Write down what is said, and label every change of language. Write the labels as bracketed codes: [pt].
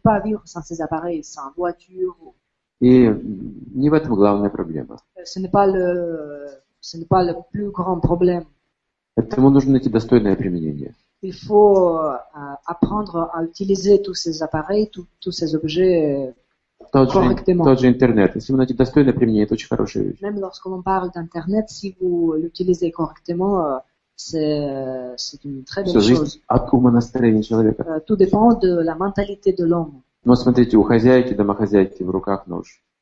[fr] Pas à vivre sans ces appareils, sans voiture. [ru] И не в этом главная проблема. [fr] Ce n'est pas le plus grand problème. [ru] Этому нужно найти достойное применение. [fr] Il faut apprendre à utiliser tous ces appareils, tous ces objets correctement. [ru] Тот же интернет. Если вы найдете достойное применение, это очень хорошая вещь. [fr] Même lorsqu'on parle d'internet, si vous l'utilisez correctement, c'est une très belle [ru] Все [fr] chose. [ru] От ума настроения человека. [fr] Tout dépend de la mentalité de l'homme. [ru] Ну, смотрите, у хозяйки, домохозяйки в руках нож.